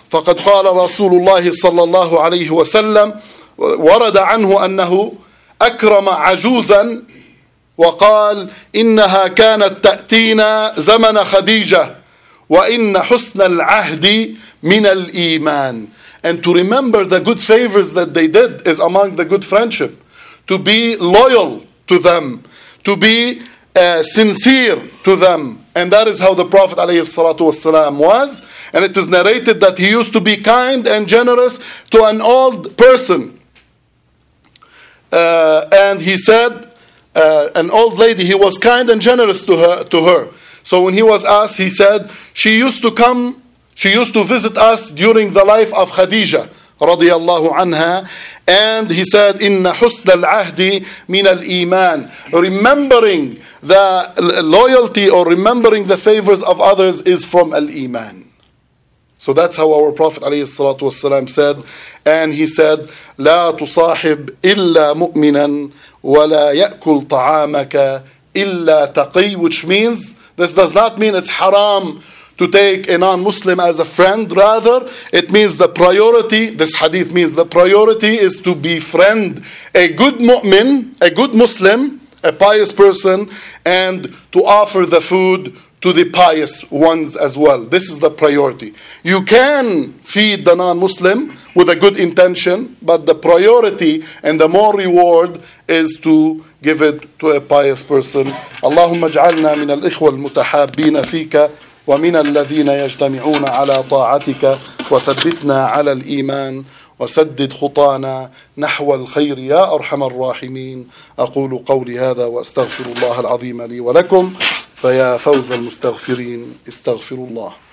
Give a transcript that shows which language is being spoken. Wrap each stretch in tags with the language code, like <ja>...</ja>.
<ar>فقد قال رسول الله صلى الله عليه وسلم ورد عنه أنه أكرم عجوزا وقال إنها كانت تأتينا زمن خديجة وإن حسن العهد من الإيمان.</ar> <en>And to remember the good favors that they did is among the good friendship. To be loyal to them. To be sincere to them. And that is how the Prophet</en> <ar>عليه الصلاة والسلام</ar> <en>was. And it is narrated that he used to be kind and generous to an old person. And he said, an old lady, he was kind and generous to her. So when he was asked, he said, she used to visit us during the life of Khadija, radiallahu anha. And he said,</en> <ar>إِنَّ حُسْنَ الْعَهْدِ مِنَ الْإِيمَانِ.</ar> <en>Remembering the loyalty or remembering the favors of others is from al-Iman. So that's how our Prophet</en> <ar>عليه الصلاة والسلام</ar> <en>said. And he said,</en> <ar>لَا تُصَاحِبْ إِلَّا مُؤْمِنًا وَلَا يَأْكُلْ طَعَامَكَ إِلَّا تَقِي.</ar> <en>Which means, this does not mean it's haram to take a non-Muslim as a friend. Rather, it means the priority, this hadith means the priority is to befriend a good mu'min, a good Muslim, a pious person, and to offer the food to the pious ones as well. This is the priority. You can feed the non-Muslim with a good intention, but the priority and the more reward is to give it to a pious person.</en> <ar>اللهم اجعلنا من الإخوة المتحابين فيك ومن الذين يجتمعون على طاعتك وثبتنا على الإيمان وسدد خطانا نحو الخير يا أرحم الراحمين. أقول قولي هذا وأستغفر الله العظيم لي ولكم، فيا فوز المستغفرين استغفروا الله.</ar>